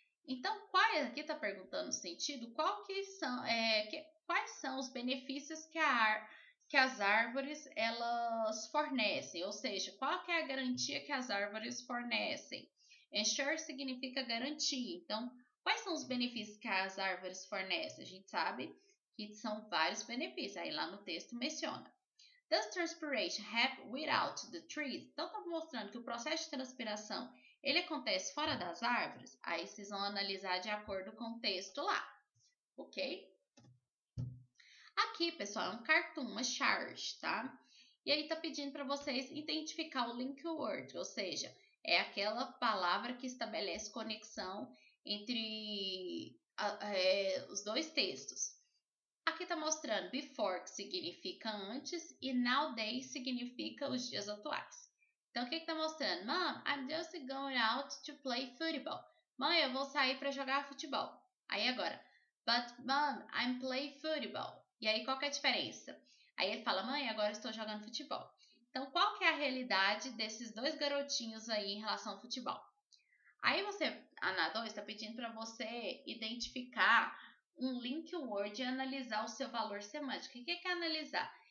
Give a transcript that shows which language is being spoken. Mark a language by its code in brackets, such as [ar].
[pt] Então, aqui tá perguntando o sentido, quais são os benefícios que as árvores elas fornecem, ou seja, qual que é a garantia que as árvores fornecem? Ensure significa garantir. Então, quais são os benefícios que as árvores fornecem? A gente sabe que são vários benefícios. Aí lá no texto menciona. [en] Does transpiration happen without the trees? [pt] Então, está mostrando que o processo de transpiração ele acontece fora das árvores. Aí vocês vão analisar de acordo com o texto lá. Ok? Aqui, pessoal, é um cartoon, uma charge, tá? E aí tá pedindo para vocês identificar o link word, ou seja, é aquela palavra que estabelece conexão entre os dois textos. Aqui tá mostrando before, que significa antes, e nowadays significa os dias atuais. Então, o que que tá mostrando? [en] Mom, I'm just going out to play football. [pt] Mãe, eu vou sair para jogar futebol. Aí agora, [en] but mom, I'm playing football. [pt] E aí, qual que é a diferença? Aí ele fala, mãe, agora eu estou jogando futebol. Então, qual que é a realidade desses dois garotinhos aí em relação ao futebol? Aí você, Ana 2, está pedindo para você identificar um link word e analisar o seu valor semântico. O que é analisar?